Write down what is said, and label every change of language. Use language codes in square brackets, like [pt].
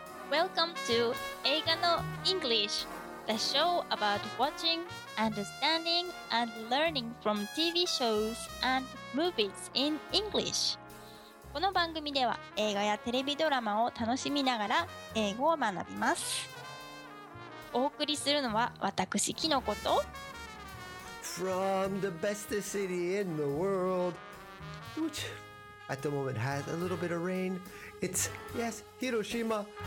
[en] Welcome to 映画の English, the show about watching, understanding, and learning from TV shows and movies in English. [ja] この番組では映画やテレビドラマを楽しみながら英語を学びます。お送りするのは私、キノコと [en] From the best city in the world, which at the moment has a little bit of rain, it's, yes, Hiroshima.